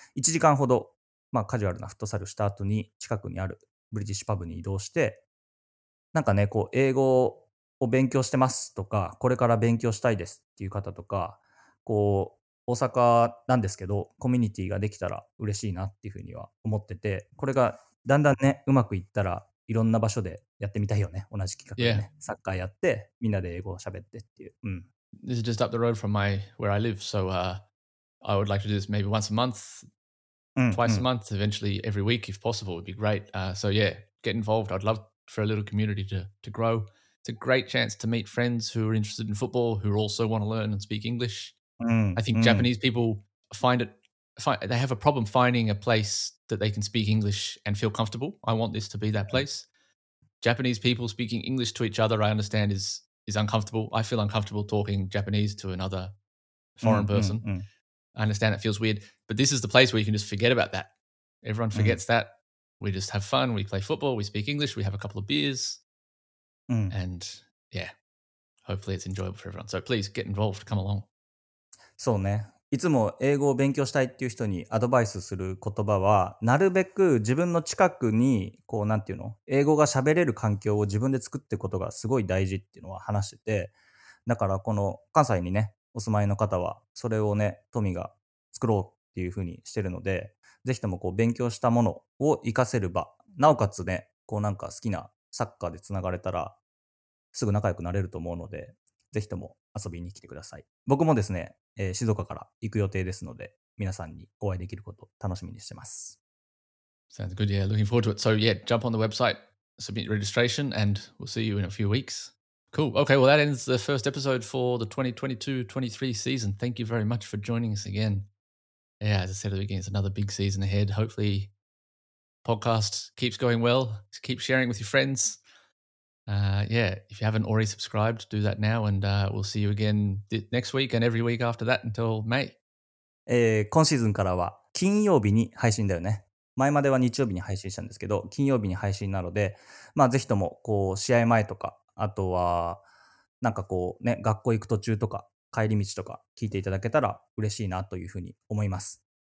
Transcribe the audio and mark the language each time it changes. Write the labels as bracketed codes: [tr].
[ja] 1時間ほど、まあ、カジュアルなフットサルした後に、近くにあるブリティッシュパブに移動して、なんかね、こう、英語を勉強してますとか、これから勉強したいですっていう方とか、こう、大阪なんですけど、コミュニティができたら嬉しいなっていうふうには思ってて、これがだんだんね、うまくいったら、いろんな場所でやってみたいよね。同じ企画でね。 [en] Yeah. [ja] サッカーやって、みんなで英語を喋ってっていう。うん。 [en] This is just up the road from where I live, so I would like to do this maybe once a month, twice a month, eventually every week if possible would be great. So yeah, get involved. I'd love for a little community to grow. It's a great chance to meet friends who are interested in football, who also want to learn and speak English. I think Japanese people they have a problem finding a place that they can speak English and feel comfortable. I want this to be that place. Japanese people speaking English to each other, I understand, is uncomfortable. I feel uncomfortable talking Japanese to another foreign person. I understand it feels weird, but this is the place where you can just forget about that. Everyone forgets that. We just have fun. We play football. We speak English. We have a couple of beers. And yeah, hopefully it's enjoyable for everyone. So please get involved. Come along. [ja] そうね。いつも英語を勉強したいっていう人にアドバイスする言葉は、なるべく自分の近くに、こう、なんていうの、英語が喋れる環境を自分で作っていくことがすごい大事っていうのは話してて、だからこの関西にね、お住まいの方は、それをね、トミが作ろうっていうふうにしてるので、ぜひともこう勉強したものを活かせる場、なおかつね、こうなんか好きなサッカーでつながれたら、すぐ仲良くなれると思うので、ぜひとも遊びに来てください。僕もですね、静岡から行く予定ですので、皆さんにお会いできること楽しみにしてます。 [en] Sounds good, yeah. Looking forward to it. So yeah, jump on the website, submit registration, and we'll see you in a few weeks. Cool. Okay, well that ends the first episode for the 2022-23 season. Thank you very much for joining us again. Yeah, as I said at the beginning, it's another big season ahead. Hopefully, podcast keeps going well. Keep sharing with your friends. Yeah, if you haven't already subscribed, do that now and we'll see you again next week and every week after that until May. [ja] 今シーズンからは金曜日に配信だよね。前までは日曜日に配信したんですけど、金曜日に配信なので、まあぜひともこう試合前とか、あとはなんかこうね、学校行く途中とか帰り道とか聞いていただけたら嬉しいなというふうに思います。